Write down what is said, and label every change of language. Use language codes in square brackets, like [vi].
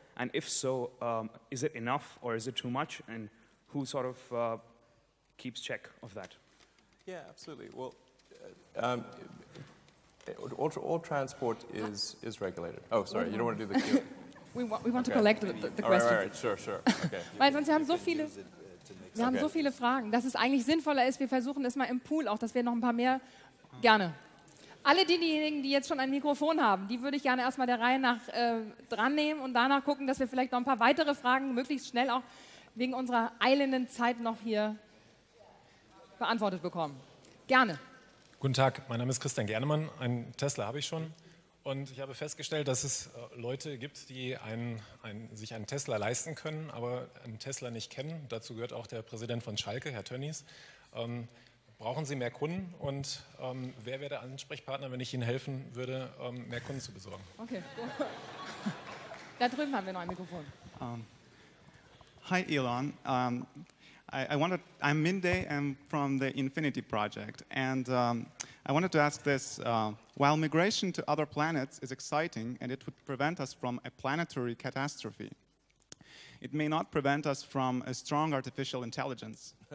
[en] And if so, is it enough or is it too much? And who sort of keeps check of that? Yeah, absolutely. Well, all transport is regulated. Oh, sorry, you don't want to do the queue. We want to collect the questions. All right, sure. Okay. [de] Weil sonst wir haben so viele Fragen, dass es eigentlich sinnvoller ist, wir versuchen es mal im Pool auch, dass wir noch ein paar mehr, gerne. Alle diejenigen, die jetzt schon ein Mikrofon haben, die würde ich gerne erstmal der Reihe nach dran nehmen und danach gucken, dass wir vielleicht noch ein paar weitere Fragen möglichst schnell auch wegen unserer eilenden Zeit noch hier beantwortet bekommen. Gerne. Guten Tag, mein Name ist Christian Gernemann, einen Tesla habe ich schon und ich habe festgestellt, dass es Leute gibt, die sich einen Tesla leisten können, aber einen Tesla nicht kennen. Dazu gehört auch der Präsident von Schalke, Herr Tönnies. Brauchen Sie mehr Kunden und wer wäre der Ansprechpartner, wenn ich Ihnen helfen würde, mehr Kunden zu besorgen? Okay. Da drüben haben wir noch ein Mikrofon. [en] Hi Elon. I'm Minde, I'm from the Infinity Project, and I wanted to ask this. While migration to other planets is exciting and it would prevent us from a planetary catastrophe, it may not prevent us from a strong artificial intelligence.